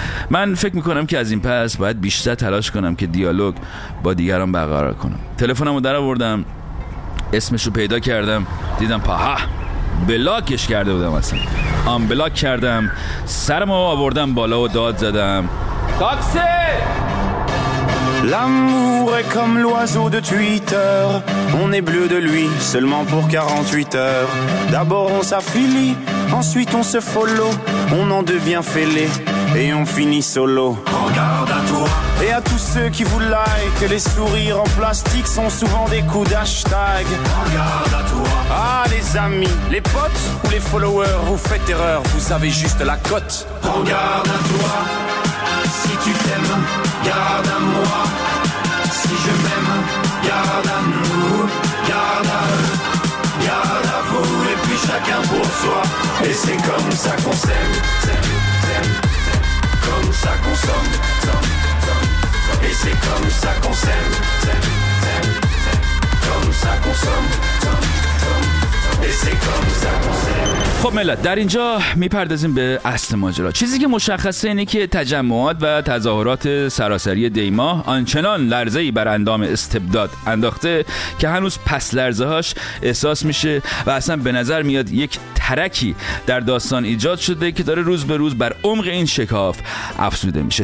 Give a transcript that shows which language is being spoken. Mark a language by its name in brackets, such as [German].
[Persian] من فکر میکنم که از این پس باید بیشتر تلاش کنم که دیالوگ با دیگران برقرار کنم. تلفنمو درآوردم، اسمشو پیدا کردم، دیدم پاها بلاکش کرده بودم، اصلا آن بلاک کردم، سرمو آوردم بالا و داد زدم تاکسی. [French] L'amour est comme l'oiseau de Twitter. On est bleu de lui seulement pour 48 heures. D'abord on s'affilie, ensuite on se follow. On en devient fêlé et on finit solo. Regarde à toi et à tous ceux qui vous like. Les sourires en plastique sont souvent des coups d'hashtag. Regarde à toi. Ah les amis, les potes ou les followers, vous faites erreur, vous avez juste la cote. Regarde à toi. Si tu t'aimes, garde à moi. Si je m'aime, garde à nous. Garde à eux, garde à vous. Et puis chacun pour soi. Et c'est comme ça qu'on s'aime, s'aime, s'aime. Comme ça qu'on somme, somme, somme. Et c'est comme ça qu'on s'aime, s'aime, s'aime. Comme ça qu'on somme, somme, somme. [Persian] خب ملت، در اینجا میپردازیم به اصل ماجرا. چیزی که مشخصه اینه که تجمعات و تظاهرات سراسری دیماه آنچنان لرزه‌ای بر اندام استبداد انداخته که هنوز پس لرزه‌هاش احساس میشه و اصلا به نظر میاد یک ترکی در داستان ایجاد شده که داره روز به روز بر عمق این شکاف افزوده میشه.